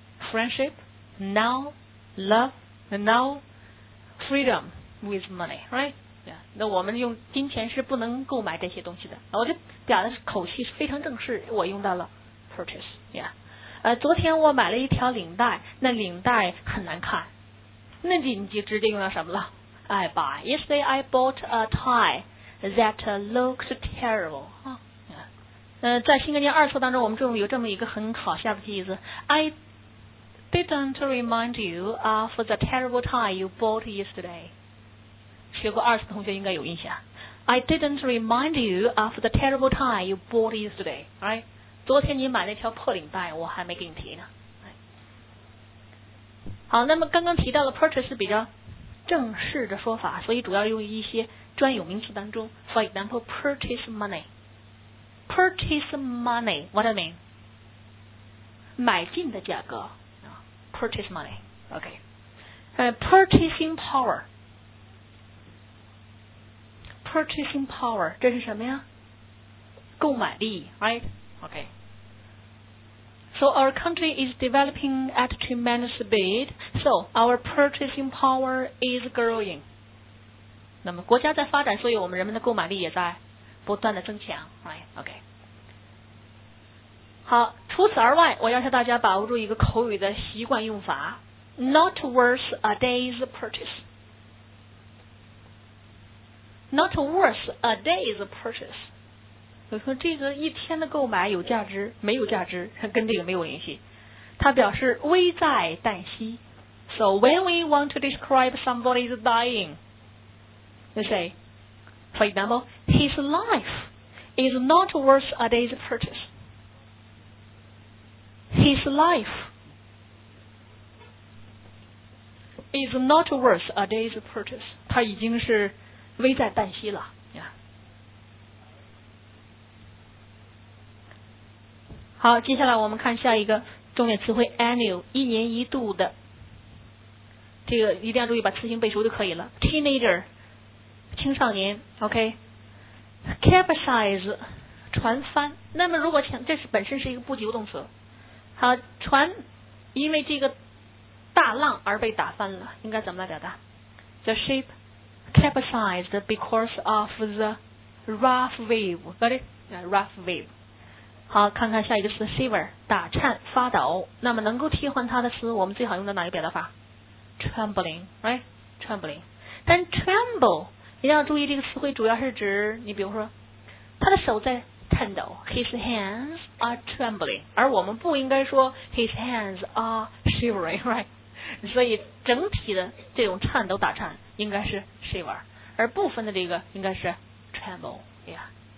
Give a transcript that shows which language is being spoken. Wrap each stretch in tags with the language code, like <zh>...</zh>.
<en>Friendship, now love, and now freedom with money, right? Yeah.</en> <zh>那我们用金钱是不能购买这些东西的。我这表达的口气是非常正式，我用到了 purchase.</zh> <en>Yeah.</en> <zh>昨天我买了一条领带，那领带很难看。那你就直接用到什么了？</zh> <en>I buy. Yesterday I bought a tie that looks terrible. Huh?</en> <zh>在新概念二册当中，我们这种有这么一个很好笑的例子。</zh> <en>I didn't remind you of the terrible tie you bought yesterday.</en> <zh>学过二次的同学应该有印象。</zh> <en>I didn't remind you of the terrible tie you bought yesterday, right?</en> <zh>昨天你买那条破领带我还没给你提呢。好，那么刚刚提到的 purchase 比较正式的说法，所以主要用于一些专有名词当中。</zh> <en>For example, purchase money. Purchase money, what does it mean?</en> <zh>买进的价格。</zh> <en>Purchase money, okay. Purchasing power. Purchasing power,</en> <zh>这是什么呀？购买力</zh> <en>right? Okay. So our country is developing at tremendous speed. So our purchasing power is growing.</en> <zh>那么国家在发展，所以我们人们的购买力也在不断的增强</zh> <en>right? Okay.</en> <zh>好，除此而外，我要求大家把握住一个口语的习惯用法 ，</zh> <en>not worth a day's purchase，</en> <zh>not worth a day's purchase。我说这个一天的购买有价值，没有价值，跟这个没有联系。它表示危在旦夕。</zh> <en>So when we want to describe somebody's dying, you say, for example, his life is not worth a day's purchase. His life is not worth a day's purchase.</en> <zh>他已经是危在旦夕了、</zh> <en>yeah.</en> <zh>好，接下来我们看下一个重点词汇 annual 一年一度的，这个一定要注意把词性背熟就可以了。 teenager 青少年 OK capsize 船翻，那么如果想这是本身是一个不及物动词，船因为这个大浪而被打翻了，应该怎么来表达？</zh> <en>The ship capsized because of the rough wave. Got it? Rough wave.</en> <zh>好，看看下一个词 shiver 打颤发抖，那么能够替换它的词我们最好用到哪一个表达法？</zh> <en>Trembling, right? Trembling. 它</en> <zh>但 tremble 你要注意这个词汇主要是指你比如说他的手在 tremble</zh> <en>his hands are trembling</en> <zh>而我们不应该说</zh> <en>his hands are shivering right</en> <zh>所以整体的这种颤抖打颤应该是 shiver 而部分的这个应该是 tremble、yeah.</zh>